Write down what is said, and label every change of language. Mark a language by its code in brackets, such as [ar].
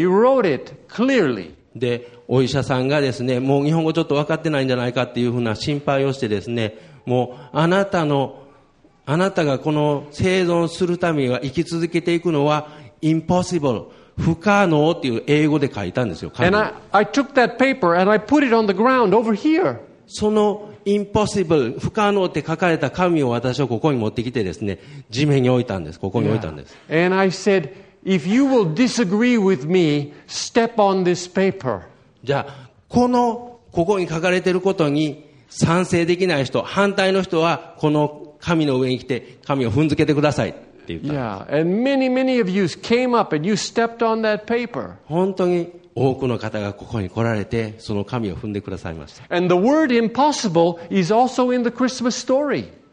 [en] You wrote it clearly. [ja] で、お医者さんがですね、もう日本語ちょっと分かってないんじゃないかっていうふうな心配をしてですね、もうあなたがこの生存するために生き続けていくのは impossible. 不可能っていう英語で書いたんですよ。 [en] And I took that paper and I put it on the ground over here. [ja] その impossible 不可能って書かれた紙を私はここに持ってきてですね、地面に置いたんです。ここに置いたんです。 [en] Yeah. And I said, if you will disagree with me, step on this paper. [ja] じゃあこのここに書かれていることに賛成できない人、反対の人はこの紙の上に来て紙を踏んづけてください。 [en] Yeah, and many, many of you came up and you stepped on that paper. [ja] 本当に多くの方がここに来られてその紙を踏んでくださいました。 [en] And the word impossible is also in the Christmas story.